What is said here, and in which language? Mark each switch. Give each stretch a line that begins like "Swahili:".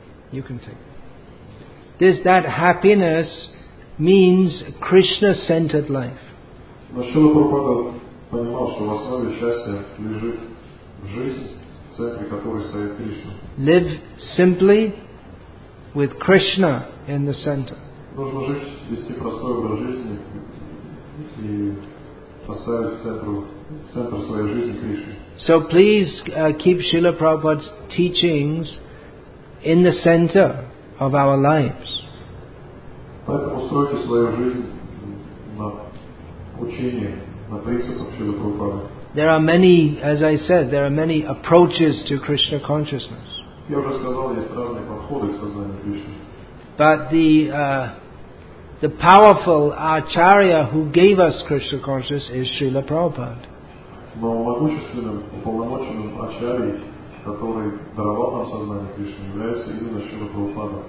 English: You can take it. This, that happiness means Krishna-centered life.
Russian: Srila Prabhupada понимал, что в основе счастья лежит жизнь, в центре которой стоит Кришна.
English: Live simply with Krishna in the center.
Russian: Нужно жить, вести простой образ жизни и поставить в центр своей жизни Кришну.
English: So please keep Srila Prabhupada's teachings in the center of our lives.
Russian: Поэтому стройте свою жизнь на учении, на принципах Шрилы Прабхупады.
English: There are many, as I said, there are many approaches to Krishna consciousness.
Russian: Я уже сказал, есть разные подходы к сознанию Кришны.
English: But the powerful Acharya who gave us Krishna consciousness is Srila Prabhupada.
Russian: Но могущественным, уполномоченным Ачарьей, который даровал нам сознание Кришны, является именно Шрила Прабхупада.